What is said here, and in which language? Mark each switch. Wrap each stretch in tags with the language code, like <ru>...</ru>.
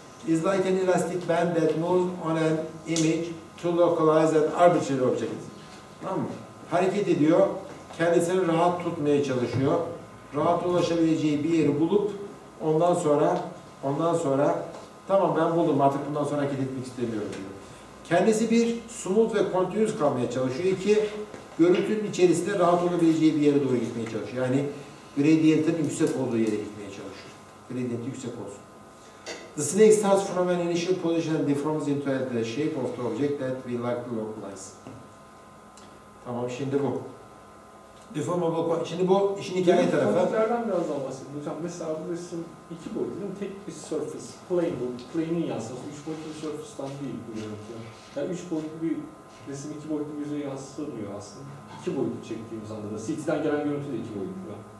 <en>Is like an elastic band that moves on an image to localize an arbitrary object.</en> <tr>Tamam mı? Hareket ediyor, kendisini rahat tutmaya çalışıyor. Rahat ulaşabileceği bir yeri bulup ondan sonra tamam ben buldum artık bundan sonra hareket etmek istemiyorum diyor. Kendisi bir smooth ve continuous kalmaya çalışıyor. İki, görüntünün içerisinde rahat olabileceği bir yere doğru gitmeye çalışıyor. Yani gradient'in yüksek olduğu yere gitmeye çalışıyor. Gradient yüksek olsun.</tr> <en>The snake starts from an initial position and deforms into the shape of the object that we like to localize.</en> <tr>Tamam, şimdi bu. Şimdi bu işin hikaye tarafı. Kontrollerden biraz daha bahsedeyim. Lütfen mesela bu resim iki boyutlu, tek bir surface. Plane bu. Plane'in yansıması. Üç boyutlu bir surface'dan değil bu görüntü. Yani üç boyutlu bir resim iki boyutlu bir yüzeye yansıtılmıyor aslında. İki boyutlu çektiğimiz anda da. CT'den gelen görüntü de iki boyutlu.</tr>